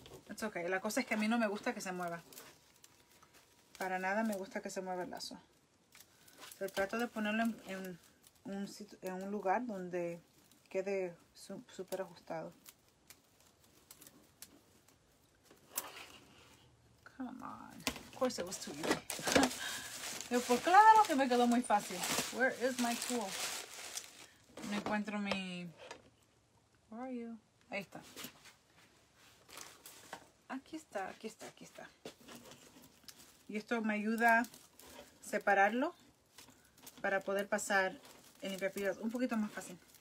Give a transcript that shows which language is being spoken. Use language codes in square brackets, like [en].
[en] It's okay. [es] La cosa es que a mí no me gusta que se mueva. Para nada me gusta que se mueva el lazo. Pero trato de ponerlo en un lugar donde quede súper ajustado. [en] Come on. Of course it was too easy. [es] Pero por claro que me quedó muy fácil. [en] Where is my tool? [es] No encuentro mi... [en] Where are you? [es] Ahí está. Aquí está, aquí está, aquí está. Y esto me ayuda a separarlo para poder pasar en limpiapipas un poquito más fácil.